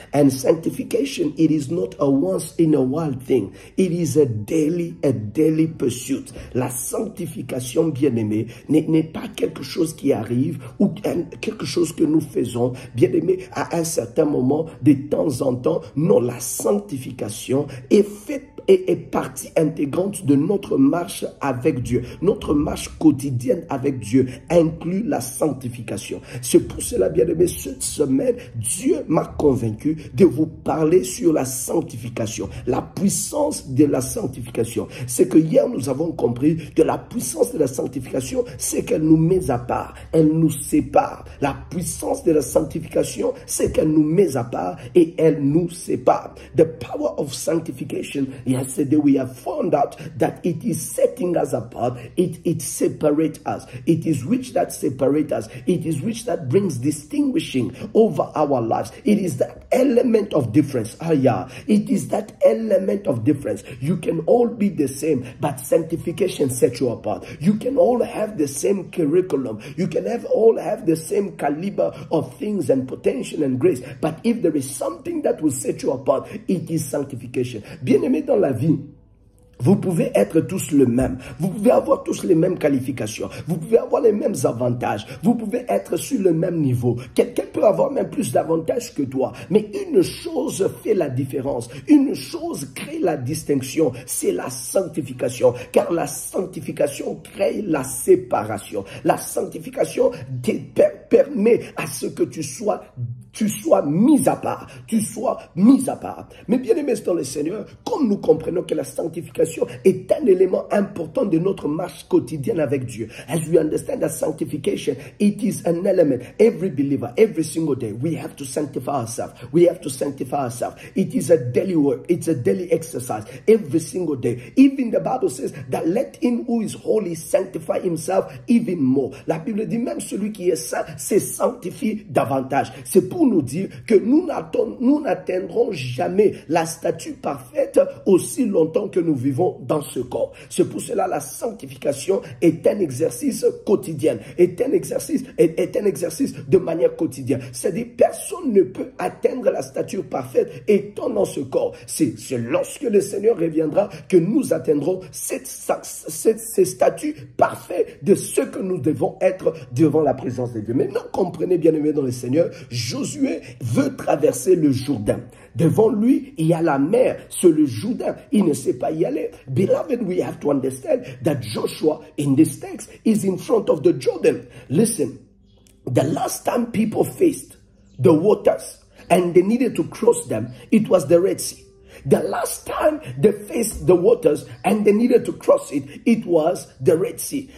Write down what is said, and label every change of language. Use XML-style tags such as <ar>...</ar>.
<en>And sanctification, it is not a once in a while thing. It is a daily pursuit.</en> <fr>La sanctification, bien-aimé, n'est pas quelque chose qui arrive ou quelque chose que nous faisons, bien-aimé, à un certain moment, de temps en temps. Non, la sanctification est partie intégrante de notre marche avec Dieu. Notre marche quotidienne avec Dieu inclut la sanctification. C'est pour cela, bien-aimé, cette semaine, Dieu m'a convaincu de vous parler sur la sanctification, la puissance de la sanctification. C'est que hier, nous avons compris que la puissance de la sanctification, c'est qu'elle nous met à part, elle nous sépare. La puissance de la sanctification, c'est qu'elle nous met à part et elle nous sépare.</fr> <en>The power of sanctification, yesterday we have found out that it is setting us apart, it separates us, it is which that separates us, it is which that brings distinguishing over our lives, it is that element of difference. Ah yeah, it is that element of difference. You can all be the same, but sanctification sets you apart. You can all have the same curriculum, you can all have the same caliber of things and potential and grace, but if there is something that will set you apart, it is sanctification.</en> <fr>Bien-aimé dans la vie, vous pouvez être tous le même. Vous pouvez avoir tous les mêmes qualifications. Vous pouvez avoir les mêmes avantages. Vous pouvez être sur le même niveau. Quelqu'un peut avoir même plus d'avantages que toi. Mais une chose fait la différence. Une chose crée la distinction. C'est la sanctification. Car la sanctification crée la séparation. La sanctification permet à ce que tu sois mis à part. Tu sois mis à part. Mais bien-aimés dans le Seigneur, comme nous comprenons que la sanctification est un élément important de notre marche quotidienne avec Dieu.</fr> <en>As we understand that sanctification, it is an element. Every believer, every single day, we have to sanctify ourselves. We have to sanctify ourselves. It is a daily work. It's a daily exercise. Every single day. Even the Bible says that let him who is holy sanctify himself even more.</en> <fr>La Bible dit même celui qui est saint se sanctifie davantage. C'est pour nous dire que nous n'atteindrons jamais la statue parfaite aussi longtemps que nous vivons dans ce corps. C'est pour cela que la sanctification est un exercice quotidien, est un exercice de manière quotidienne. C'est-à-dire que personne ne peut atteindre la stature parfaite étant dans ce corps. C'est lorsque le Seigneur reviendra que nous atteindrons ces statuts parfaits de ce que nous devons être devant la présence de Dieu. Maintenant, comprenez bien aimé dans le Seigneur, Josué veut traverser le Jourdain. Devant lui, il y a la mer sur le Jourdain. Il ne sait pas y aller.</fr> <en>Beloved, we have to understand that Joshua in this text is in front of the Jordan. Listen, the last time people faced the waters and they needed to cross them, it was the Red Sea. The last time they faced the waters and they needed to cross it, it was the Red Sea.</en>